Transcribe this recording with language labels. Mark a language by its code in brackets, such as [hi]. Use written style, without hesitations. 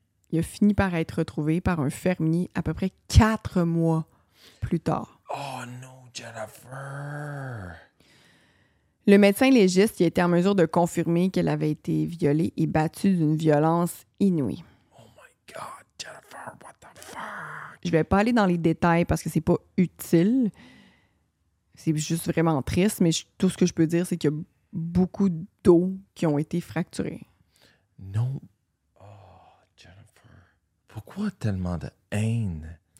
[fr] Il a fini par être retrouvé par un fermier à peu près 4 mois plus tard. Oh non, Jennifer! Le médecin légiste a été en mesure de confirmer qu'elle avait été violée et battue d'une violence inouïe. [en] Oh my God, Jennifer, what the fuck? [fr] Je vais pas aller dans les détails parce que c'est pas utile. C'est juste vraiment triste, mais tout ce que je peux dire, c'est qu'il y a beaucoup d'os qui ont été fracturés. Non. Oh, Jennifer. Pourquoi tellement de haine?